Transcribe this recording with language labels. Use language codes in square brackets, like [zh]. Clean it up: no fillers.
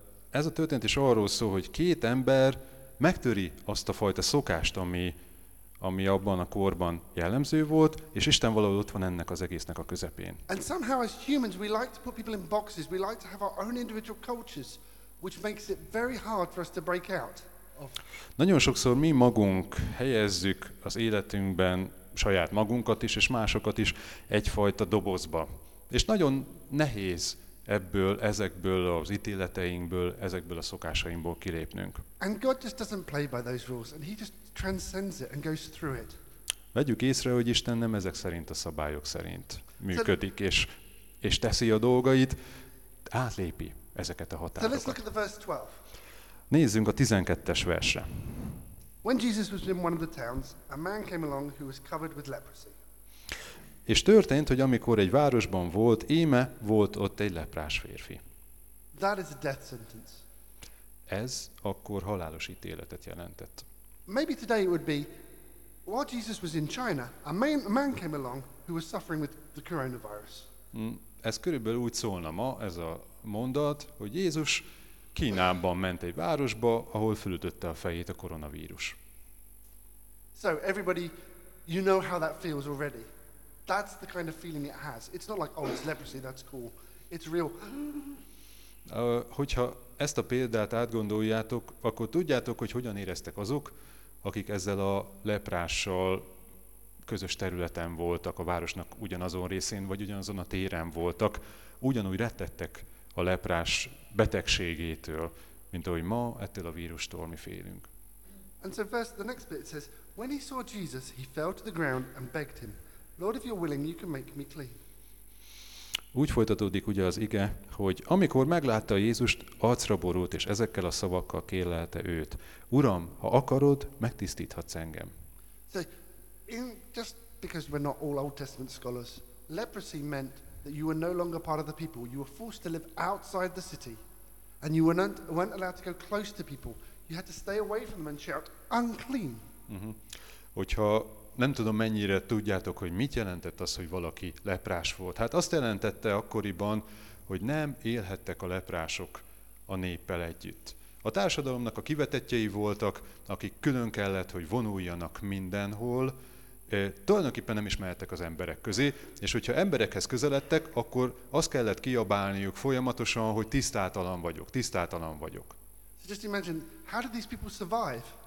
[hu] Ez a történet is arról szól, hogy két ember megtöri azt a fajta szokást, ami abban a korban jellemző volt, és Isten valahol ott van ennek az egésznek a közepén. [en] And somehow as humans we like to put people in boxes, we like to have our own individual cultures, which makes it very hard for us to break out of. [hu] Nagyon sokszor mi magunk helyezzük az életünkben saját magunkat is, és másokat is egyfajta dobozba. És nagyon nehéz ezekből az ítéleteinkből, ezekből a szokásainkból kilépnünk. [en] And God just doesn't play by those rules, and he just transcends it and goes through it. [hu] Vegyük észre, hogy Isten nem ezek szerint a szabályok szerint működik, és teszi a dolgait, átlépi ezeket a határokat. [en] So let's look at the verse 12. [hu] Nézzünk a 12-es versre. [en] When Jesus was in one of the towns, a man came along who was covered with leprosy. [hu] És történt, hogy amikor egy városban volt, íme volt ott egy leprás férfi. [en] That is a death sentence. [hu] Ez akkor halálos ítéletet jelentett. [en] Maybe today it would be, while Jesus was in China, a man came along who was suffering with the coronavirus. [hu] Ez körülbelül úgy szólna ma, ez a mondat, hogy Jézus Kínában ment egy városba, ahol fölütötte a fejét a koronavírus. [en] So everybody, you know how that feels already. That's the kind of feeling it has. It's not like, oh, it's leprosy, that's cool. It's real. [hu] Hogyha ezt a példát átgondoljátok, akkor tudjátok, hogy hogyan éreztek azok, akik ezzel a leprással közös területen voltak, a városnak ugyanazon részén, vagy ugyanazon a téren voltak, ugyanúgy rettegtek a leprás betegségétől, mint ahogy ma ettől a vírustól mi félünk. [en] And so first, the next bit says, when he saw Jesus, he fell to the ground and begged him, Lord, if you're willing, you can make me clean. [hu] Úgy folytatódik ugye az ige, hogy amikor meglátta Jézust, arcra borult, és ezekkel a szavakkal kérlelte őt. Uram, ha akarod, megtisztíthatsz engem. [en] So, just because we're not all Old Testament scholars, leprosy meant that you were no longer part of the people. You were forced to live outside the city, and you weren't allowed to go close to people. You had to stay away from them and shout, unclean. [hu] Hogyha nem tudom, mennyire tudjátok, hogy mit jelentett az, hogy valaki leprás volt. Hát azt jelentette akkoriban, hogy nem élhettek a leprások a néppel együtt. A társadalomnak a kivetettjei voltak, akik külön kellett, hogy vonuljanak mindenhol, tulajdonképpen nem ismerhettek az emberek közé, és hogyha emberekhez közeledtek, akkor azt kellett kiabálniuk folyamatosan, hogy tisztátalan vagyok, tisztátalan vagyok. [en] So just imagine, how did these people survive?